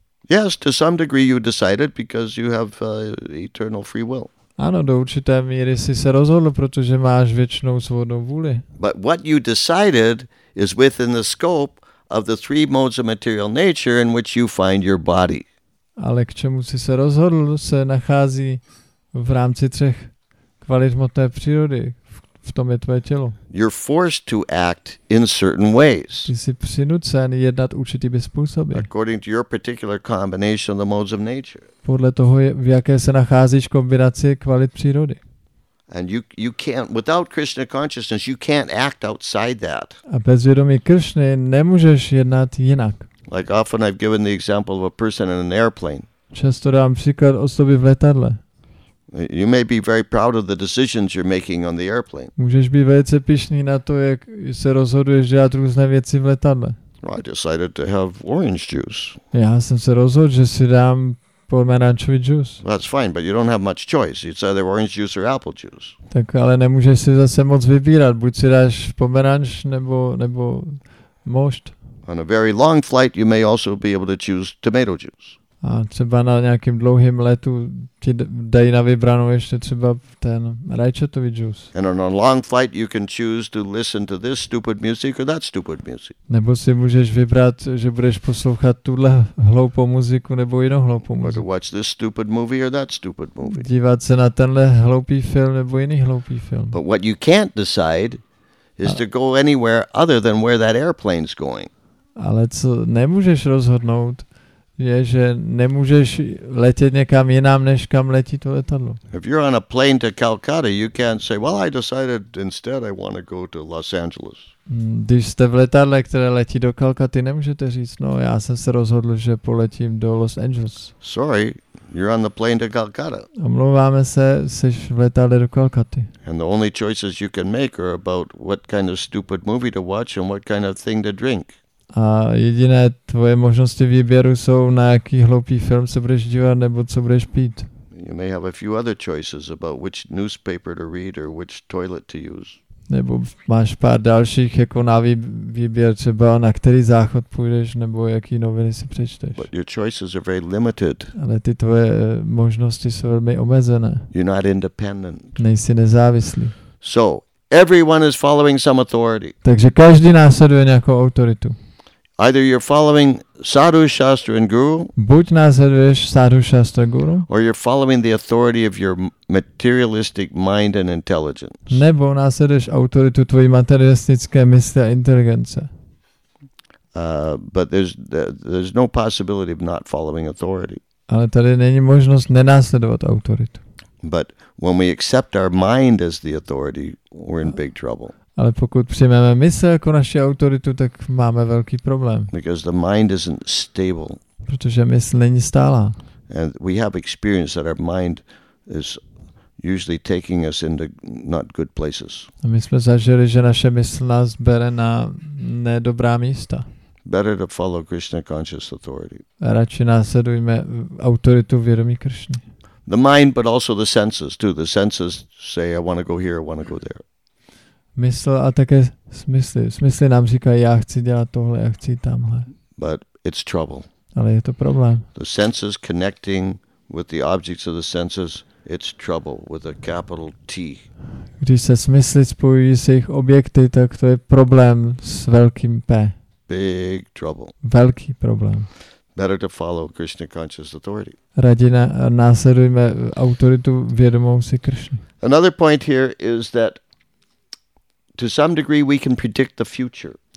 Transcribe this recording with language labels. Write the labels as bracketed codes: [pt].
[en] Yes, to some degree you decided because you have eternal free will. [cs] Ano, do určité míry jsi se rozhodl, protože máš věčnou svobodnou vůli. [en] But what you decided is within the scope of the three modes of material nature in which you find your body. [cs] Ale k čemu jsi se rozhodl, se nachází v rámci třech kvalit hmotné přírody, v tom je tvé tělo. [en] You're forced to act in certain ways. [cs] Ty jsi přinucen jednat určitými způsoby. [en] According to your particular combination of the modes of nature. [cs] Podle toho, v jaké se nacházíš kombinaci kvalit přírody. [en] And you can't without Krishna consciousness you can't act outside that. [cs] A bez vědomí Kršny nemůžeš jednat jinak. [en] Like often I've given the example of a person in an airplane. [cs] Často dám příklad osoby v letadle. [en] You may be very proud of the decisions you're making on the airplane. [cs] Můžeš být velice pyšný na to, jak se rozhoduješ dělat různé věci v letadle. [en] Well, I decided to have orange juice. [cs] Já jsem se rozhodl, že si dám pomerančový džus. [en] That's fine, but you don't have much choice. It's either orange juice or apple juice. [cs] Tak ale nemůžeš si zase moc vybírat. Buď si dáš pomeranč nebo mošt. [en] On a very long flight, you may also be able to choose tomato juice. [cs] A třeba na nějakým dlouhým letu ti dají na vybranou ještě třeba ten rajčatový džus. [en] And on a long flight, you can choose to listen to this stupid music or that stupid music. [cs] Nebo si můžeš vybrat, že budeš poslouchat tuhle hloupou muziku nebo jinou hloupou muziku. [en] Or to watch this stupid movie or that stupid movie. [cs] Dívat se na tenhle hloupý film nebo jiný hloupý film. [en] But what you can't decide is to go anywhere other than where that airplane's going. [cs] Ale co nemůžeš rozhodnout, je, že nemůžeš letět někam jinam, než kam letí to letadlo. [en] If you're on a plane to Calcutta, you can't say, well, I decided instead I want to go to Los Angeles. [cs] Když jste v letadle, které letí do Calcutty, nemůžete říct, no, já jsem se rozhodl, že poletím do Los Angeles. [en] Sorry, you're on the plane to Calcutta. [cs] Omlouváme se, jsi v letadle do Calcutty. [en] And the only choices you can make are about what kind of stupid movie to watch and what kind of thing to drink. [cs] A jediné tvoje možnosti výběru jsou, na jaký hloupý film se budeš dívat nebo co budeš pít. [en] You may have a few other choices about which newspaper to read or which toilet to use. [cs] Nebo máš pár dalších jako na výběr, třeba na který záchod půjdeš nebo jaký noviny si přečteš. [en] But your choices are very limited. [cs] Ale ty tvoje možnosti jsou velmi omezené. [en] You're not independent. [cs] Nejsi nezávislý. [en] So, everyone is following some authority. [cs] Takže každý následuje nějakou autoritu. [en] Either you're following sadhu, shastra and guru. [cs] Buď následuješ sadhu, shastra, guru. [en] Or you're following the authority of your materialistic mind and intelligence. [cs] Nebo následuješ autoritu tvojí materialistické mysli a inteligence. [en] But there's no possibility of not following authority. [cs] Ale tady není možnost nenásledovat autoritu. [en] But when we accept our mind as the authority, we're in big trouble. [cs] Ale pokud přijmeme mysl jako naši autoritu, tak máme velký problém. [en] Because the mind isn't stable. [cs] Protože mysl není stálá. [en] And we have experience that our mind is usually taking us into not good places. [cs] A my jsme zažili, že naše mysl nás bere na nedobrá místa. [en] Better to follow Krishna conscious authority. [cs] Radši následujme autoritu vědomí Kršny. [en] The mind, but also the senses too. The senses say, I want to go here, I want to go there. [cs] Mysl a také smysly. Smysly nám říkají, já chci dělat tohle, já chci tamhle. [en] But it's trouble. [cs] Ale je to problém. [en] The senses connecting with the objects of the senses, it's trouble with a capital T. [cs] Když se smysly spojují s jejich objekty, tak to je problém s velkým P. [en] big trouble. [cs] Velký problém. [en] Better to follow Krishna conscious authority. [cs] Raději následujme autoritu vědomou si Krishna. [en] Another point here is that to some degree we can predict the future.